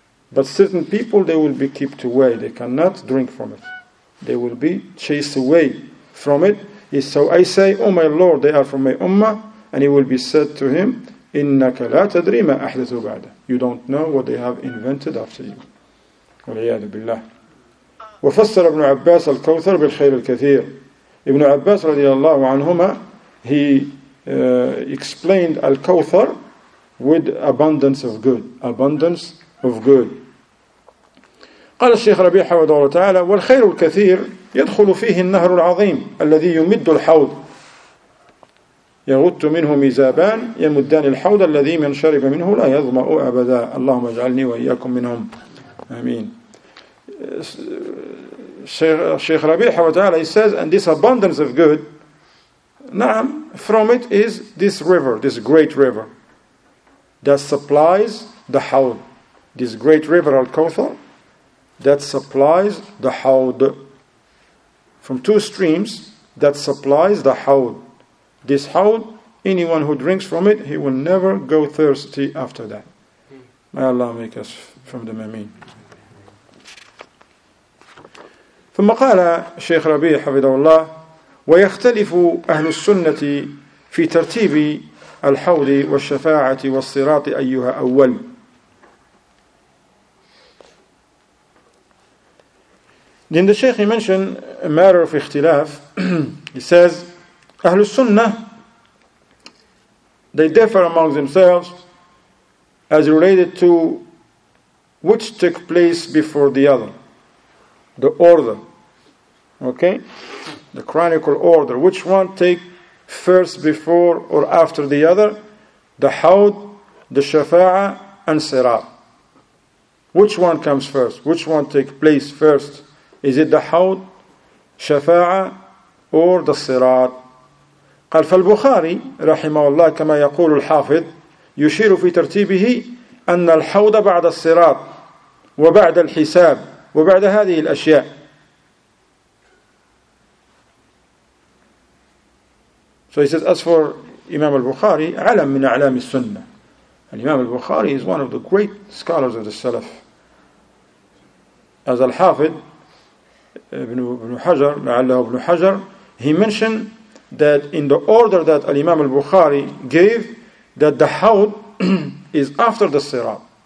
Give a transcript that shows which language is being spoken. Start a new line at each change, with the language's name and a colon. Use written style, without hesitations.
English: But certain people, they will be kept away. They cannot drink from it. They will be chased away from it. So I say, oh my Lord, they are from my ummah. And it will be said to him,
Arabic: innaka la tadri ma ahdathu ba'da.
English: You don't know what they have invented after you.
Arabic: Wal'iyadu billah. وفسر ابن عباس الكوثر بالخير الكثير.
English: Ibn Abbas radiallahu anhuma, he explained Al-Kawthar with abundance of good. Abundance of good.
Arabic: قال الشيخ ربيع حفظه الله تعالى والخير الكثير يدخل فيه النهر العظيم الذي يمد الحوض يغط منه ميزابان يمدان الحوض الذي من شرب منه لا يظمأ أبدا اللهم اجعلني وإياكم منهم آمين.
English: Shaykh Rabi, he says, and this abundance of good, na'am, from it is this river, this great river, that supplies the Hawd. This great river, Al-Kawthar, that supplies the Hawd. From two streams, that supplies the Hawd. This Hawd, anyone who drinks from it, he will never go thirsty after that. May Allah make us from the Ameen.
Arabic: ثم قال الشيخ ربيع حفظه الله ويختلف أهل السنة في ترتيب الحوض والشفاعة والصراط أيها أول.
English: Then the Sheikh mentioned a matter of اختلاف. He says
Arabic: أهل السنة
English: they differ among themselves as related to which took place before the other, the order. Okay, the chronicle order. Which one take first before or after the other? The Hawd, the Shafa'a, and Sirat. Which one comes first? Which one take place first? Is it the Hawd, Shafa'a, or the Sirat?
Arabic: قال فالبخاري رحمه الله كما يقول الحافظ يشير في ترتيبه أن الحوض بعد الصراط وبعد الحساب وبعد هذه الأشياء.
English: So he says, as for Imam al-Bukhari,
Arabic: alam min alam al-sunnah.
English: And Imam al-Bukhari is one of the great scholars of the Salaf. As al-Hafid, Ibn Hajar, he mentioned that in the order that Imam al-Bukhari gave, that the Hawd is after the Sirat.